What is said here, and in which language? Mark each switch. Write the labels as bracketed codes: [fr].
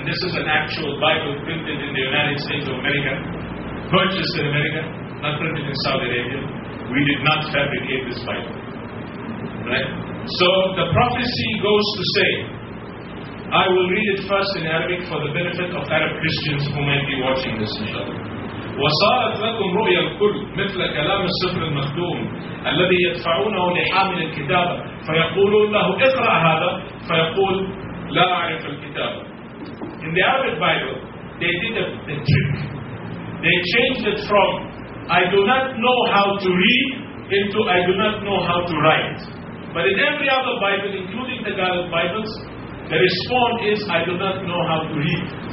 [en] And this is an actual Bible printed in the United States of America, purchased in America, not printed in Saudi Arabia. We did not fabricate this Bible. Right? So the prophecy goes to say, I will read it first in Arabic for the benefit of Arab Christians who might be watching this, inshallah. [ar] وصارت لكم رؤيا الكل مثل كلام السفر المخدوم الذي يدفعونه لحامل الكتاب فيقولون له اقرا هذا فيقول لا اعرف الكتاب. [en] In the Arabic Bible, they did a trick. They changed it from I do not know how to read into I do not know how to write. But in every other Bible, including the Gallic Bibles, the response is I do not know how to read.